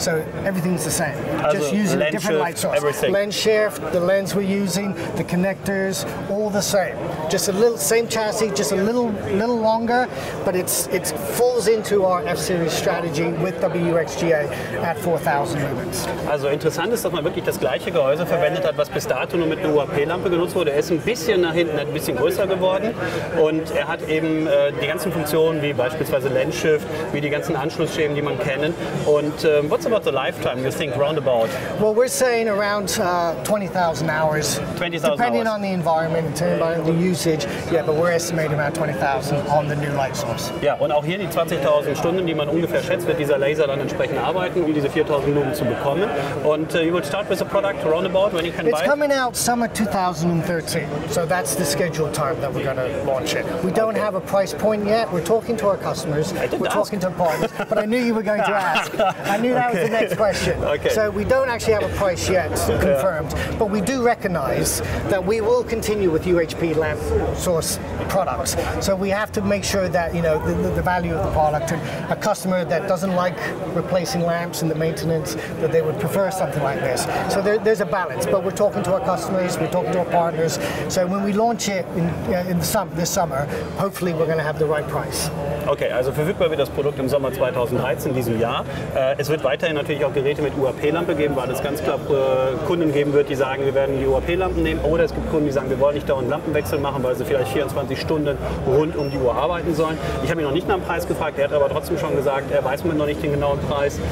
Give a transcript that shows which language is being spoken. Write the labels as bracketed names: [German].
[English] So everything's the same, also just using different light sources. Everything. Lens shift, the lens we're using, the connectors, all the same. Just a little, same chassis, just a little longer, but it falls into our F-Series strategy with WXGA at 4,000 lumens. [German] Also interessant ist, dass man wirklich das gleiche Gehäuse verwendet hat, was bis dato nur mit einer UHP-Lampe genutzt wurde. Er ist ein bisschen nach hinten, ein bisschen größer geworden und er hat eben die ganzen Funktionen, wie beispielsweise Lens shift, wie die ganzen Anschlussschemen, die man kennen. [English] Und what's about the lifetime, you think, roundabout? Well, we're saying around 20,000 hours. 20,000 hours. Depending on the environment, the usage, yeah, but we're estimating around 20,000 on the new light source. [German] Ja, und auch hier die 20,000 Stunden, die man ungefähr schätzt, wird dieser Laser dann entsprechend arbeiten, um diese 4,000 Lumen zu bekommen. [English] Und you will start with a product roundabout when you can it's buy it? It's coming out summer 2013, so that's the scheduled time that we're going to launch it. We don't okay. have a price point yet. We're talking to our customers. We're talking to partners, but I knew you were going to ask. I knew that was the next question. Okay. So we don't actually have a price yet confirmed, but we do recognize that we will continue with UHP lamp source products. So we have to make sure that, you know, the value of the product, and a customer that doesn't like replacing lamps and the maintenance, that they would prefer something like this. So there's a balance, but we're talking to our customers, we're talking to our partners. So when we launch it this summer, hopefully we're going to have the right price. [German] Okay, also verfügbar wird das Produkt im Sommer 2013, diesem Jahr. Es wird weiterhin natürlich auch Geräte mit UHP-Lampe geben, weil es ganz klar Kunden geben wird, die sagen, wir werden die UHP-Lampen nehmen. Oder es gibt Kunden, die sagen, wir wollen nicht dauernd Lampenwechsel machen, weil sie vielleicht 24 Stunden rund um die Uhr arbeiten sollen. Ich habe ihn noch nicht nach dem Preis gefragt, er hat aber trotzdem schon gesagt, er weiß noch nicht den genauen Preis.